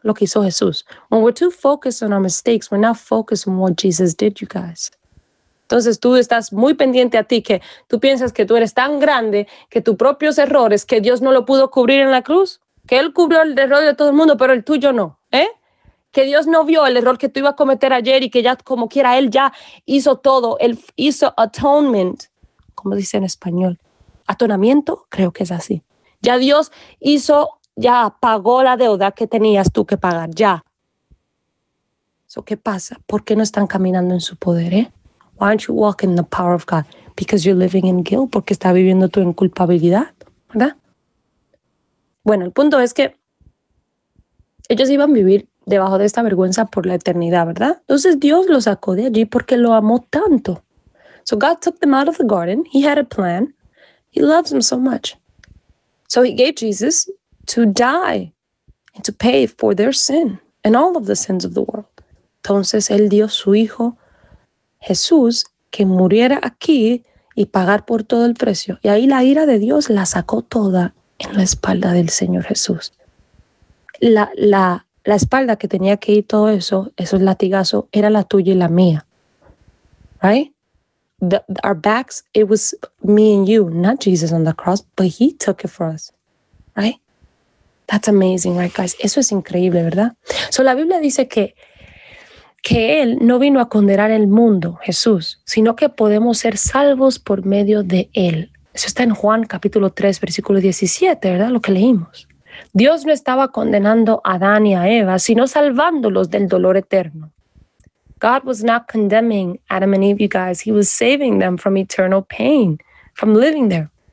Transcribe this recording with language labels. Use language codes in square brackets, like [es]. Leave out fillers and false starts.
[es] Lo que hizo Jesús. [en] When we're too focused on our mistakes, we're not focused on what Jesus did, you guys. [es] Entonces tú estás muy pendiente a ti, que tú piensas que tú eres tan grande que tus propios errores, que Dios no lo pudo cubrir en la cruz, que Él cubrió el error de todo el mundo, pero el tuyo no, ¿eh? Que Dios no vio el error que tú ibas a cometer ayer y que ya como quiera Él ya hizo todo, Él hizo atonement, ¿cómo dice en español? ¿Atonamiento? Creo que es así. Ya Dios hizo, ya pagó la deuda que tenías tú que pagar, ya. So, ¿qué pasa? ¿Por qué no están caminando en su poder, eh? [en] Why don't you walk in the power of God? Because you're living in guilt. [es] Porque está viviendo tú en culpabilidad, ¿verdad? Bueno, el punto es que ellos iban a vivir debajo de esta vergüenza por la eternidad, ¿verdad? Entonces Dios los sacó de allí porque lo amó tanto. [en] So God took them out of the garden. He had a plan. He loves them so much. So he gave Jesus to die and to pay for their sin and all of the sins of the world. [es] Entonces él dio su hijo Jesús, que muriera aquí y pagar por todo el precio. Y ahí la ira de Dios la sacó toda en la espalda del Señor Jesús. La espalda que tenía que ir todo eso, esos latigazos, era la tuya y la mía. [en] Right? Our backs, it was me and you, not Jesus on the cross, but he took it for us. Right? That's amazing, right, guys? [es] Eso es increíble, ¿verdad? So la Biblia dice que Él no vino a condenar el mundo, Jesús, sino que podemos ser salvos por medio de Él. Eso está en Juan capítulo 3, versículo 17, ¿verdad? Lo que leímos. Dios no estaba condenando a Adán y a Eva, sino salvándolos del dolor eterno. [en] God was not condemning Adam and Eve, you guys. He was saving them from eternal pain, from living there.